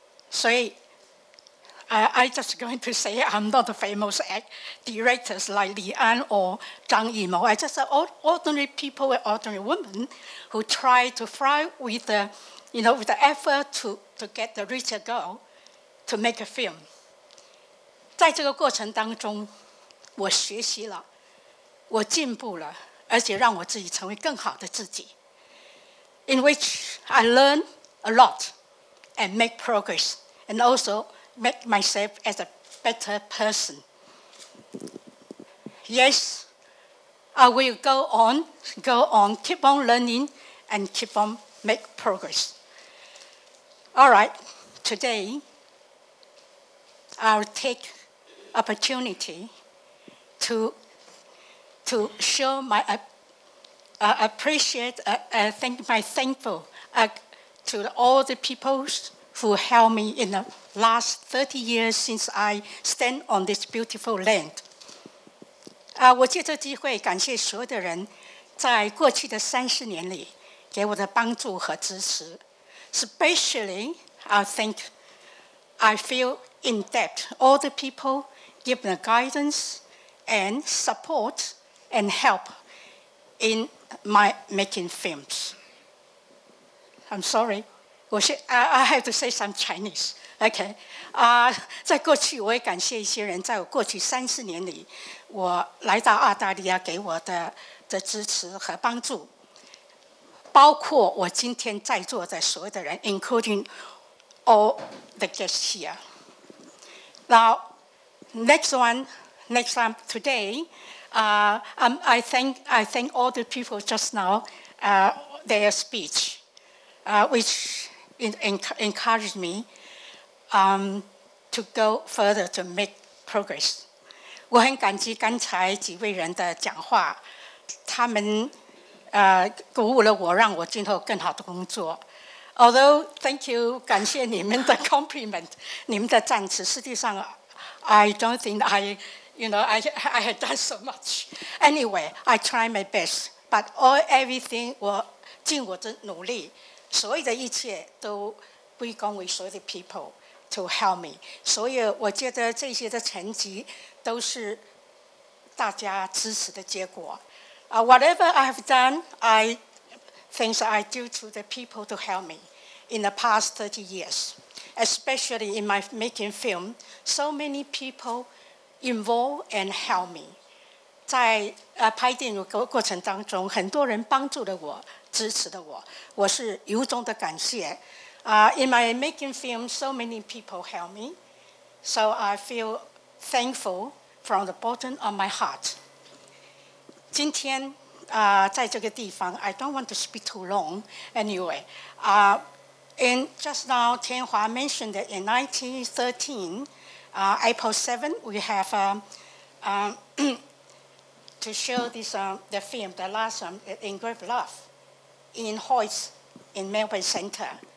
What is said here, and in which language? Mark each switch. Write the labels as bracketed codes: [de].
[zh] 所以 [en] I just going to say I'm not a famous directors like 李安 or 张艺谋， I just ordinary people and ordinary women who try to fly with the, you know, with the effort to get the richer goalTo make a film. [zh] 在这个过程当中，我学习了，我进步了，而且让我自己成为更好的自己。 [en] In which I learn a lot and make progress, and also make myself as a better person. Yes, I will go on, keep on learning, and keep on make progress. All right, today. I'll take opportunity to show my appreciate, thank my thankful to all the people who helped me in the last 30 years since I stand on this beautiful land. [zh] 我借这机会感谢所有的人在过去的30年里给我的帮助和支持。 [en] Especially, I feel in depth, all the people give the guidance and support and help in my making films. I'm sorry, I have to say some Chinese. [zh] Okay, 在过去我也感谢一些人，在我过去三十年里，我来到澳大利亚给我的支持和帮助，包括我今天在座的所有的人 ， [en] including all the guests here.Now, Next time today, I thank all the people just now, their speech, which encouraged me to go further to make progress. [zh] 我很感激刚才几位人的讲话，他们鼓舞了我，让我今后更好的工作。 [en] Although thank you, [zh] 感谢你们的 [en] compliment, [zh] 你们的赞词。实际上 [en] ，I don't think I had done so much. Anyway, I try my best, but everything [zh] 我尽我的努力，所有的一切都归功于所有的 [en] people to help me. [zh] 所以我觉得这些的成绩都是大家支持的结果。 [en] Whatever I have done, I things I do to the people to help me in the past 30 years, especially in my making film, so many people involved and help me. [zh] 在拍电影过程当中，很多人帮助了我，支持了我，我是由衷的感谢。 [en] In my making film, so many people help me, so I feel thankful from the bottom of my heart. [zh] 今天在这个地方 [en] I don't want to speak too long anyway. And just now, Tianhua mentioned that in 1913, April 7, we have to show this, the film, the last one, In Great Love, in Hoyts, in Melbourne Center.